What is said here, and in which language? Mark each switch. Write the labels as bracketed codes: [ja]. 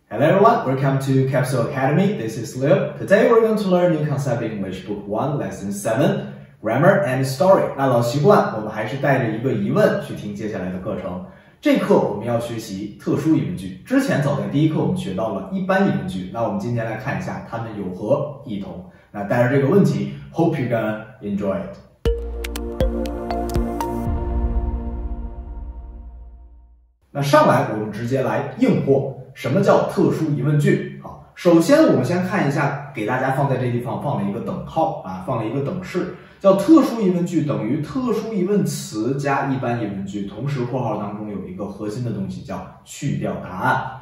[en] Hello everyone, welcome to Capsule Academy. This is Liu. Today we're going to learn new concept in English Book 1, Lesson 7, Grammar and Story. [zh] 那老习惯，我们还是带着一个疑问去听接下来的课程。这课我们要学习特殊疑问句。之前早在第一课我们学到了一般疑问句，那我们今天来看一下它们有何异同。那带着这个问题 , [en] Hope you're gonna enjoy it. [zh] 那上来我们直接来硬过，什么叫特殊疑问句？好，首先我们先看一下，给大家放在这地方放了一个等号啊，放了一个等式，叫特殊疑问句等于特殊疑问词加一般疑问句，同时括号当中有一个核心的东西叫去掉答案。